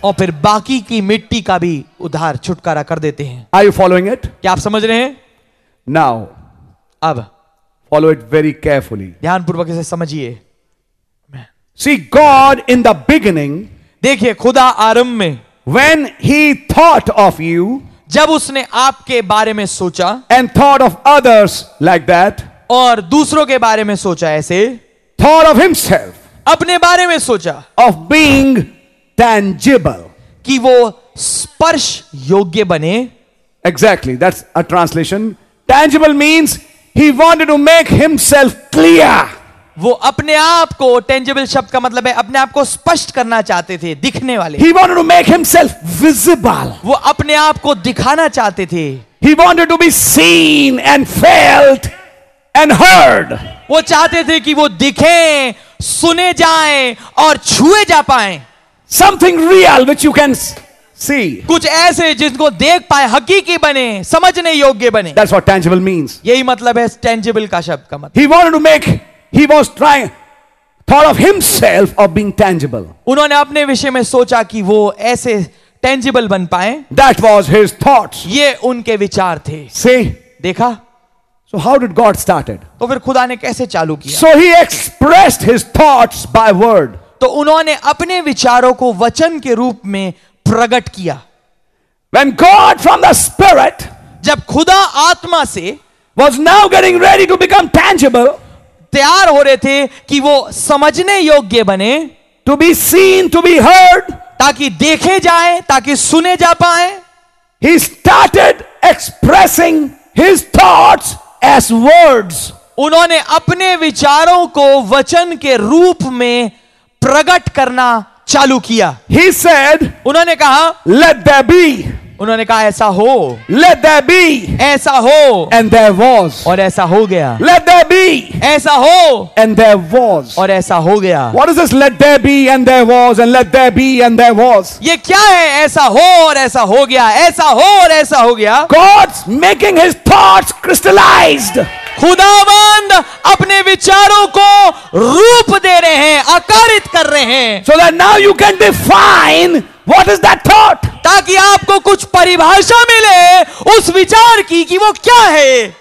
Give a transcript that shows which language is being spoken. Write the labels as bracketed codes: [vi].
[hi] और फिर बाकी की मिट्टी का भी उधार, छुटकारा कर देते हैं. [en] Are you following it? [hi] क्या आप समझ रहे हैं? [en] Now, [hi] अब [en] follow it very carefully. [hi] ध्यानपूर्वक इसे समझिए. [en] See, God in the beginning, [hi] देखिए खुदा आरंभ में, [en] when he thought of you, [hi] जब उसने आपके बारे में सोचा, [en] and thought of others like that, [hi] और दूसरों के बारे में सोचा ऐसे, [en] thought of himself, [hi] अपने बारे में सोचा, [en] of being tangible, [hi] कि वो स्पर्श योग्य बने. [en] Exactly, that's a translation. Tangible means he wanted to make himself clear. [hi] वो अपने आप को, tangible शब्द का मतलब है अपने आप को स्पष्ट करना चाहते थे, दिखने वाले. [en] He wanted to make himself visible. [hi] वो अपने आप को दिखाना चाहते थे. [en] He wanted to be seen and felt and heard. [hi] वो चाहते थे कि वो दिखें, सुने जाएं और छुए जा पाएं. [en] Something real which you can see. [hi] कुछ ऐसे जिसको देख पाए, हकीकी बने, समझने योग्य बने. [en] That's what tangible means. [hi] यही मतलब है tangible का शब्द का मतलब. [en] He wanted to make, he was trying, thought of himself of being tangible. [hi] उन्होंने अपने विषय में सोचा कि वो ऐसे tangible बन पाए. [en] That was his thoughts. [hi] ये उनके विचार थे. [en] See? [hi] देखा? [en] So how did God started? [hi] तो फिर खुदा ने कैसे चालू किया? [en] So he expressed his thoughts by word. [hi] तो उन्होंने अपने विचारों को वचन के रूप में प्रकट किया. [en] When God from the spirit, [hi] जब खुदा आत्मा से, [en] was now getting ready to become tangible, [hi] तैयार हो रहे थे कि वो समझने योग्य बने, [en] to be seen, to be heard, [hi] ताकि देखे जाए, ताकि सुने जा पाए, [en] he started expressing his thoughts as words. [hi] उन्होंने अपने विचारों को वचन के रूप में प्रकट करना चालू किया. [en] He said, [hi] उन्होंने कहा, [en] let there be. [hi] उन्होंने कहा ऐसा हो. [en] Let there be. [hi] ऐसा हो. [en] And there was. [hi] और ऐसा हो गया. [en] Let there be. [hi] ऐसा हो. [en] And there was. [hi] और ऐसा हो गया. [en] What is this? Let there be and there was and let there be and there was. [hi] ये क्या है? ऐसा हो और ऐसा हो गया. ऐसा हो और ऐसा हो गया. [en] God's making his thoughts crystallized. [hi] खुदावंद अपने विचारों को रूप दे रहे हैं, आकारित कर रहे हैं. [en] So that now you can define what is that thought. [hi] ताकि आपको कुछ परिभाषा मिले उस विचार की कि वो क्या है.